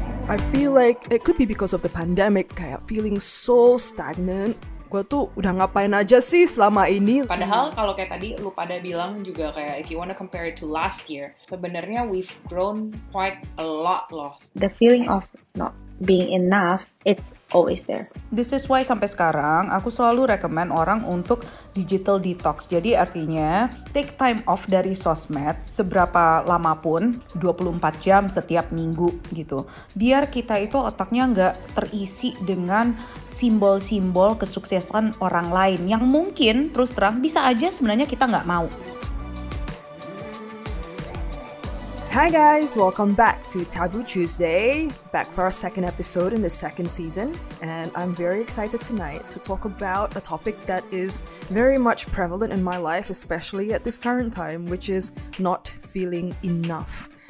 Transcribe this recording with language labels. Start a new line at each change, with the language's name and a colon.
English: I feel like it could be because of the pandemic,
Indonesian: kayak feeling so stagnant. Gue tuh udah ngapain aja sih selama ini. Padahal kalau kayak tadi lu pada bilang juga kayak
English: if you wanna compare it to last year,
Indonesian: sebenarnya
English: we've grown quite a lot loh. The feeling of not being enough, it's always there. This is why
Indonesian: sampai sekarang aku selalu recommend orang untuk digital detox. Jadi artinya
English: take time off
Indonesian: dari sosmed seberapa lama pun, 24 jam setiap minggu gitu. Biar kita itu otaknya nggak terisi dengan simbol-simbol kesuksesan orang lain yang mungkin terus terang bisa aja sebenarnya kita nggak mau.
English: Hi guys, welcome back to Taboo Tuesday, back for our second episode in the second season, and I'm very excited tonight to talk about a topic that is very much prevalent in my life, especially at this current time, which is not feeling enough.